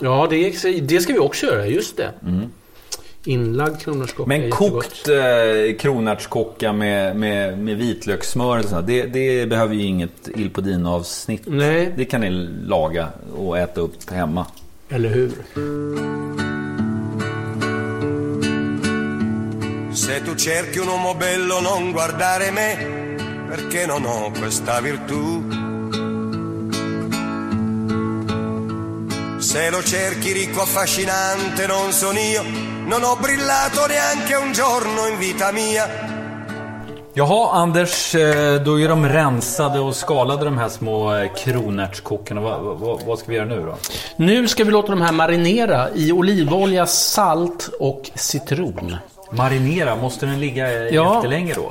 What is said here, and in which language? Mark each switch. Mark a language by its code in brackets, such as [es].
[sv] Ja, det ska vi också göra, just det. Inlagd kronärtskocka. Men kokt kronärtskocka med vitlökssmör och sånt, det behöver ju inget Ilpodin-avsnitt. Nej. Det kan ni laga och äta upp hemma. Eller hur? [it] Se tu cerchi un uomo bello non guardare me, perché non ho questa virtù. Se lo cerchi ricco affascinante non sono io, non ho brillato neanche un giorno in vita mia. [sv] Jaha, Anders, då är de rensade och skalade, de här små kronärtskockorna. Vad ska vi göra nu då? Nu ska vi låta de här marinera i olivolja, salt och citron. Marinera, måste den ligga jättelänge då?